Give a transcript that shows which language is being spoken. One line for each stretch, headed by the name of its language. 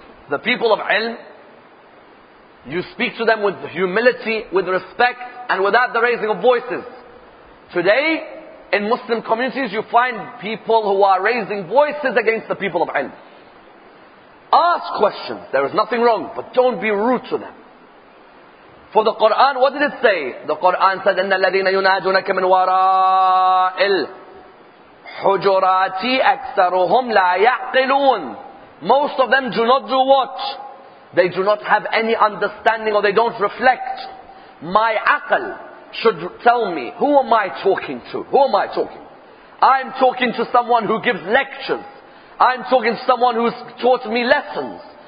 English: The people of ilm, you speak to them with humility, with respect, and without the raising of voices. Today, in Muslim communities, you find people who are raising voices against the people of ilm. Ask questions, there is nothing wrong, but don't be rude to them. For the Quran, what did it say? The Quran said,
Arabic: إِنَّ الَّذِينَ يُنَادُونَكَ مِنْ وَرَاءِ الْحُجُرَاتِ أَكْثَرُهُمْ لَا يَعْقِلُونَ.
English: Most of them do not do what? They do not have any understanding or they don't reflect. My aql should tell me, who am I talking to? Who am I talking? I'm talking to someone who gives lectures. I'm talking to someone who's taught me lessons.